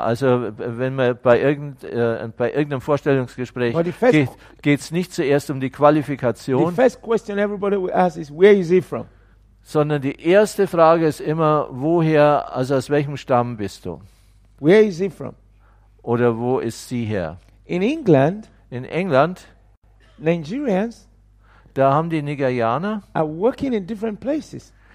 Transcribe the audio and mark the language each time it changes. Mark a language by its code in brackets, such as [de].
[de] Also wenn man bei irgendeinem Vorstellungsgespräch geht, geht's nicht zuerst um die Qualifikation. [en] The first question everybody will ask is, where is he from? [de] Sondern die erste Frage ist immer, woher, also aus welchem Stamm bist du? [en] Where is he from? [de] Oder wo ist sie her? [en] In England, Nigerians, [de] da haben die Nigerianer, [en] are working in different places.